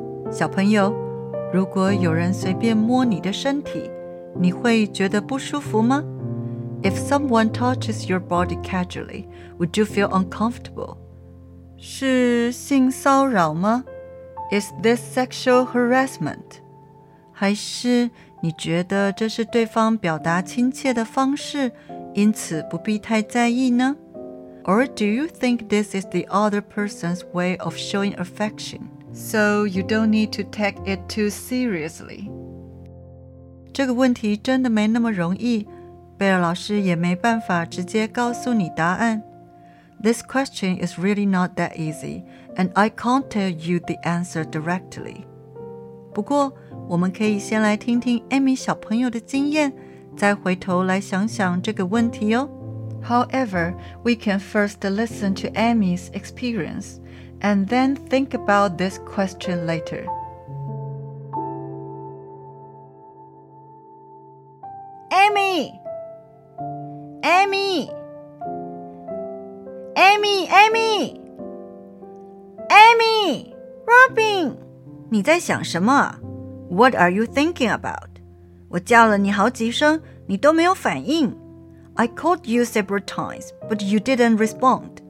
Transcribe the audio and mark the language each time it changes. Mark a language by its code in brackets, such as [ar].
[zh] 小朋友，如果有人随便摸你的身体，你会觉得不舒服吗？ [en] If someone touches your body casually, would you feel uncomfortable? [zh] 是性骚扰吗？ [en] Is this sexual harassment? [zh] 还是你觉得这是对方表达亲切的方式，因此不必太在意呢？ [en] Or do you think this is the other person's way of showing affection, so you don't need to take it too seriously? [zh] 这个问题真的没那么容易，贝尔老师也没办法直接告诉你答案。 [en] This question is really not that easy, and I can't tell you the answer directly. [zh] 不过，我们可以先来听听 Amy 小朋友的经验，再回头来想想这个问题哦。 [en] However, we can first listen to Amy's experience, and then think about this question later. Amy! Amy! Amy! Amy! Amy! Robin! [zh] 你在想什么？ [en] What are you thinking about? [zh] 我叫了你好几声，你都没有反应。 [en] I called you several times, but you didn't respond.